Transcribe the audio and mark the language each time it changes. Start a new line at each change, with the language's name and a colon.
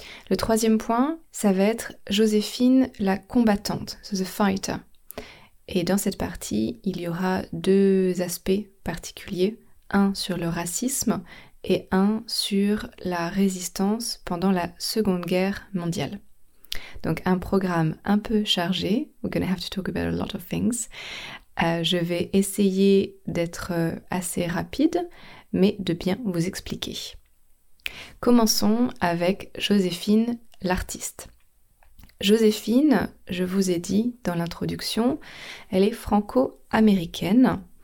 French: Le troisième point, ça va être Joséphine la combattante,
English: so the fighter.
French: Et dans cette partie, il y aura deux aspects particuliers, un sur le racisme et un sur la résistance pendant la Seconde Guerre mondiale. Donc un programme un peu chargé,
English: we're gonna have to talk about a lot of things.
French: Je vais essayer d'être assez rapide, mais de bien vous expliquer. Commençons avec Joséphine, l'artiste. Joséphine, je vous ai dit dans l'introduction, elle est franco-américaine.